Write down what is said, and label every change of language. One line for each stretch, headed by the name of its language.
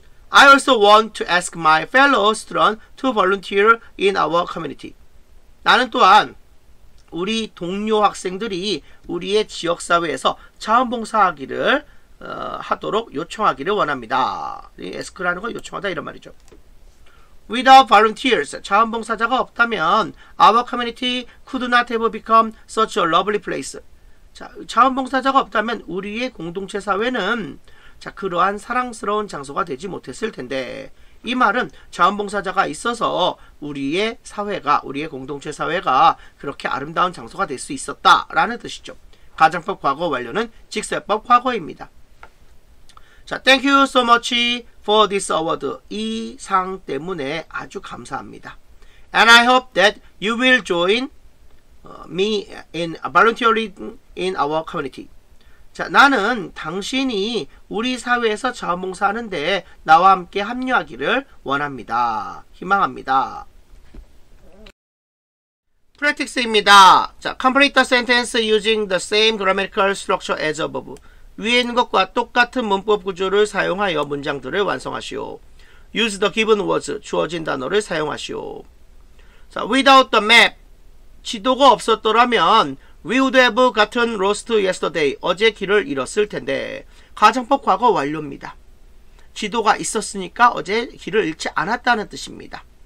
English: I also want to ask my fellow students to volunteer in our community.
Korean: 나는 또한 우리 동료 학생들이 우리의 지역사회에서 자원봉사하기를 하도록 요청하기를 원합니다. ask라는 건 요청하다 이런 말이죠.
English: Without volunteers,
Korean: 자원봉사자가 없다면
English: our community could not have become such a lovely place.
Korean: 자, 자원봉사자가 없다면 우리의 공동체 사회는 자, 그러한 사랑스러운 장소가 되지 못했을 텐데 이 말은 자원봉사자가 있어서 우리의 사회가, 우리의 공동체 사회가 그렇게 아름다운 장소가 될 수 있었다라는 뜻이죠. 가정법 과거 완료는 직설법 과거입니다.
English: 자, thank you so much for this award.
Korean: 이 상 때문에 아주 감사합니다.
English: And I hope that you will join me in volunteering in our community.
Korean: 자, 나는 당신이 우리 사회에서 자원봉사하는데 나와 함께 합류하기를 원합니다. 희망합니다. Practice입니다.
English: 자, complete the sentence using the same grammatical structure as above.
Korean: 위에 있는 것과 똑같은 문법 구조를 사용하여 문장들을 완성하시오.
English: Use the given words,
Korean: 주어진 단어를 사용하시오. 자,
English: without the map,
Korean: 지도가 없었더라면
English: we would have gotten lost yesterday,
Korean: 어제 길을 잃었을 텐데 가정법 과거 완료입니다. 지도가 있었으니까 어제 길을 잃지 않았다는 뜻입니다.